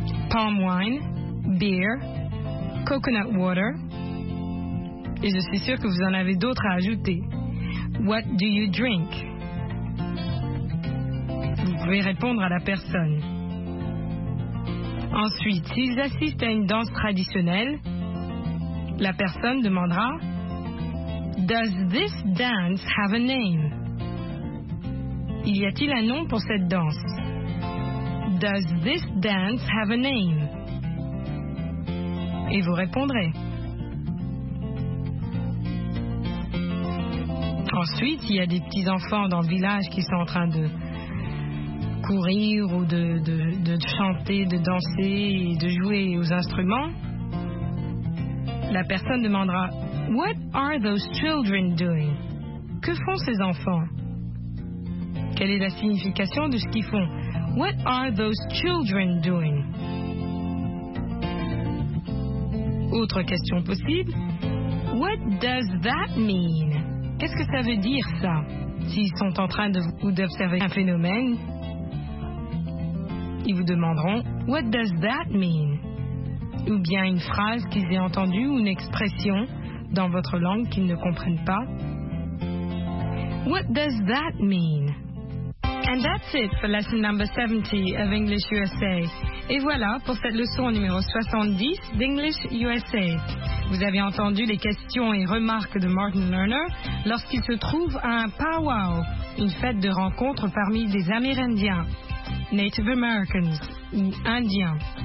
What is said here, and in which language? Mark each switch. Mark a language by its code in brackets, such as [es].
[en] Palm wine, beer, coconut water. [fr] Et je suis sûre que vous en avez d'autres à ajouter. [en] What do you drink? [fr] Vous pouvez répondre à la personne. Ensuite, s'ils assistent à une danse traditionnelle, la personne demandera, [en] does this dance have a name? [fr] Y a-t-il un nom pour cette danse? [en] Does this dance have a name? [fr] Et vous répondrez. Ensuite, il y a des petits enfants dans le village qui sont en train de courir ou de chanter, de danser et de jouer aux instruments. La personne demandera, [en] what are those children doing? [fr] Que font ces enfants? Quelle est la signification de ce qu'ils font? [en] What are those children doing? [fr] Autre question possible, [en] what does that mean? [fr] Qu'est-ce que ça veut dire, ça, s'ils sont en train de ou d'observer un phénomène? Ils vous demanderont, [en] what does that mean? [fr] Ou bien une phrase qu'ils aient entendue ou une expression dans votre langue qu'ils ne comprennent pas. [en] What does that mean? And that's it for lesson number 70 of English USA. [fr] Et voilà pour cette leçon numéro 70 d'English USA. Vous avez entendu les questions et remarques de Martin Lerner lorsqu'il se trouve à un powwow, une fête de rencontre parmi des Amérindiens, Native Americans ou Indiens.